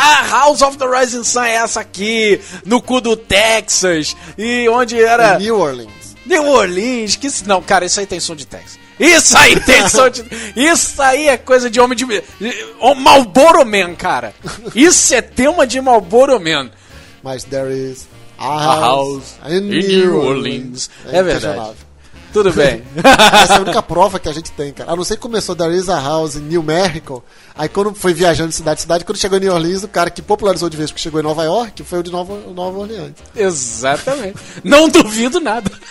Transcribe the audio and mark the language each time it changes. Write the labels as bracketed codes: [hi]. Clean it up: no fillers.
[pt] House of the Rising Sun é essa aqui, no cu do Texas. E onde era? New Orleans. New Orleans, que isso? Não, cara, isso aí tem som de Texas. Isso aí tem som de... Isso aí é coisa de homem de... Marlboro Man, cara. Isso é tema de Marlboro Man. [en] Mas there is a house in New Orleans. [pt] É verdade. Tudo bem. Essa é a única prova que a gente tem, cara. A não ser que começou [en] there is a house in New Mexico, [pt] aí quando foi viajando de cidade em cidade, quando chegou em New Orleans, o cara que popularizou de vez que chegou em Nova York foi o de Nova Orleans. Exatamente. Não duvido nada.